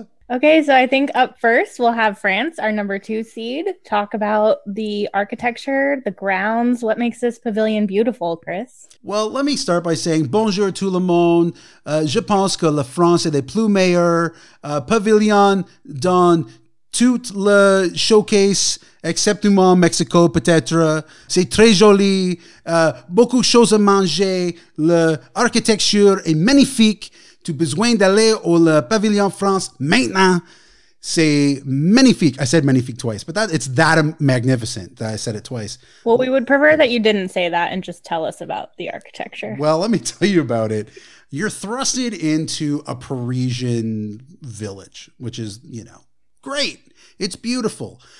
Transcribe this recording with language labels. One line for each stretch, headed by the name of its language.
English: Okay, so I think up first we'll have France, our number two seed. Talk about the architecture, the grounds. What makes this pavilion beautiful, Chris? Well, let me start by saying
French: bonjour tout le monde. Je pense que la France est le plus meilleur pavillon dans toute la showcase, exceptement Mexico, peut-être. C'est très joli. Beaucoup de choses à manger. L'architecture est magnifique. Tu besoin d'aller au pavillon France maintenant.
English: say many feet. I said many feet twice, but that it's that magnificent that I said it twice. Well, we would prefer that you didn't say that and just tell us about the architecture. Well, let me tell you about it. You're thrusted into a Parisian village, which is, you know, great. It's beautiful.